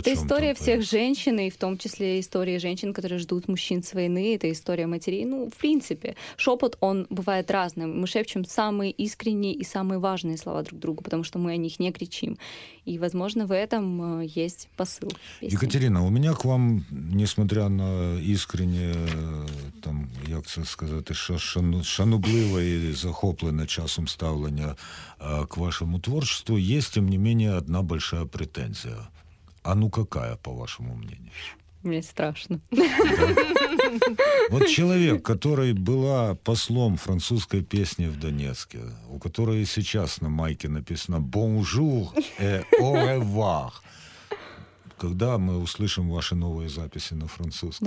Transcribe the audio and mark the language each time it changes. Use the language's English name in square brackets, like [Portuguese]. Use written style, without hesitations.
[Russian] Это история всех женщин, и в том числе история женщин, которые ждут мужчин с войны. Это история матерей. Ну, в принципе, шепот, он бывает разным. Мы шепчем самые искренние и самые важные слова друг другу, потому что мы о них не кричим. И, возможно, в этом есть посыл. [Ukrainian] Екатерина, [Russian] у меня к вам, несмотря на искренне, [Ukrainian] там, як це сказати, шанобливе і захоплене часом ставлення к вашому творчеству, є, тим не менше, одна велика претензія. [Russian] А ну, какая, [Ukrainian] по вашому [Russian] мнению? [Ukrainian] Мені страшно. [Russian] Вот человек, который была послом французской песни в Донецке, у которой сейчас на майке написано «Бонжур и [French] au revoir», [Russian] когда мы услышим ваши новые записи на французском?